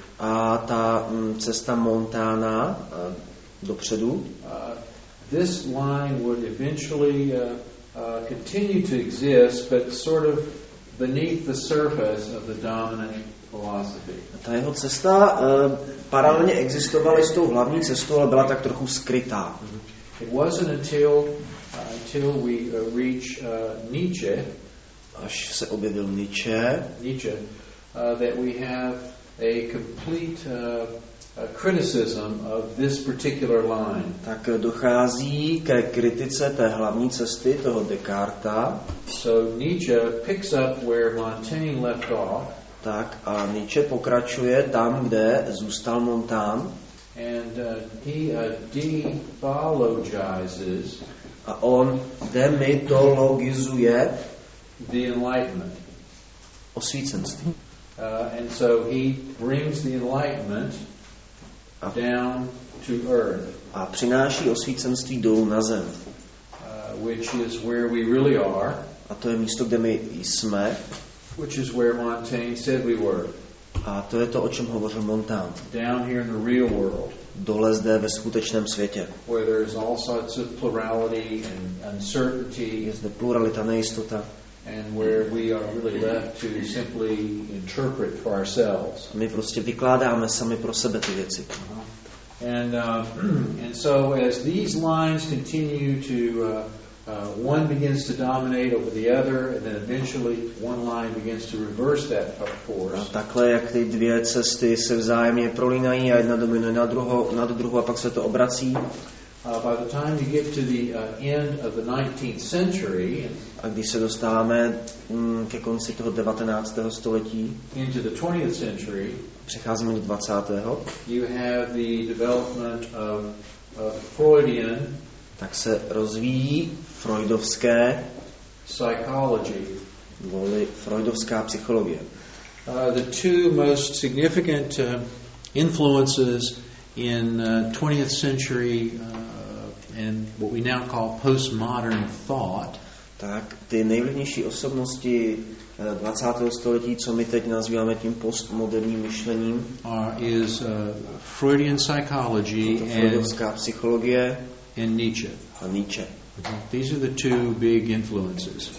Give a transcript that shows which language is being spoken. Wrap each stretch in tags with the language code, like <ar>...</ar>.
<cs>a ta cesta Montana dopředu,</cs> <en>this line would eventually continue to exist, but sort of beneath the surface of the dominant philosophy.</en> <cs>Ta jeho cesta paralelně existovala s tou hlavní cestou, ale byla tak trochu skrytá.</cs> <en>It wasn't until we reach Nietzsche,</en> <cs>až se objevil Nietzsche,</cs> <en>that we have a complete a criticism of this particular line.</en> <cs>Tak dochází ke kritice té hlavní cesty toho Descartes.</cs> <en>So Nietzsche picks up where Montaigne left off.</en> <cs>Tak a Nietzsche pokračuje tam, kde zůstal Montaigne.</cs> <en>And he demythologizes.</en> <cs>A on demytologizuje</cs> <en>the Enlightenment.</en> <cs>Osvícenství.</cs> <en>And so he brings the Enlightenment down to earth.</en> <cs>A přináší osvícenství dolů na zem.</cs> <en>Which is where we really are.</en> <cs>A to je místo, kde my jsme.</cs> <en>Which is where Montaigne said we were.</en> <cs>A to je to, o čem hovořil Montaigne.</cs> <en>Down here in the real world.</en> <cs>Dole zde ve skutečném světě.</cs> <en>Where there is all sorts of plurality and uncertainty.</en> <cs>Je zde pluralita, nejistota.</cs> <en>And where we are really left to simply interpret for ourselves.</en> <cs>My prostě vykládáme sami pro sebe ty věci.</cs> <en>And so as these lines continue to one begins to dominate over the other, and then eventually one line begins to reverse that force.</en> <cs>A takhle jak ty dvě cesty se vzájemně prolínají a jedna dominuje na druhou a pak se to obrací.</cs> <en>By the time you get to the end of the 19th century,</en> <cs>A když se dostáváme ke konci toho 19. století,</cs> <en>into the 20th century,</en> <cs>přecházíme do 20.</cs> <en>You have the development of Freudian,</en> <cs>tak se rozvíjí freudovské</cs> <en>psychology,</en> <cs>volí freudovská psychologie.</cs> <en>The two most significant influences in 20th century and what we now call postmodern thought,</en> <cs>tak ty nejvlivnější osobnosti 20. století, co my teď nazýváme tím postmoderním myšlením,</cs> <en>is Freudian psychology</en> <cs>and freudovská psychologie</cs> <en>and Nietzsche.</en> <cs>A Nietzsche.</cs> <en>These are the two big influences.</en>